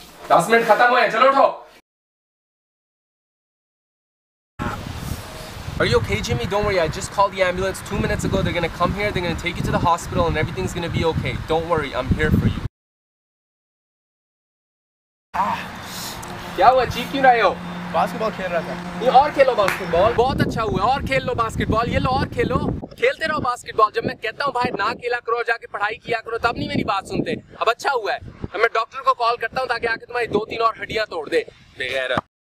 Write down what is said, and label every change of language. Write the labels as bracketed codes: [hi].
[hi] 10 minute खत्म हुए हैं चलो उठो Are you okay, Jimmy? [en] Don't worry, I just called the ambulance 2 minutes ago. They're gonna come here, they're gonna take you to the hospital, and everything's gonna be okay. Don't worry, I'm here for you. [hi] क्या हुआ चीख क्यों रहे हो basketball खेल रहा था और खेलो बास्केटबॉल बहुत अच्छा हुआ और खेल लो बास्केटबॉल ये लो और खेलो खेलते रहो बास्केटबॉल जब मैं कहता हूँ भाई ना खेला करो जाके पढ़ाई किया करो तब नहीं मेरी बात सुनते अब अच्छा हुआ है अब मैं डॉक्टर को कॉल करता हूँ ताकि आके तुम्हारी 2-3 और हड्डियाँ तोड़ दे बगैर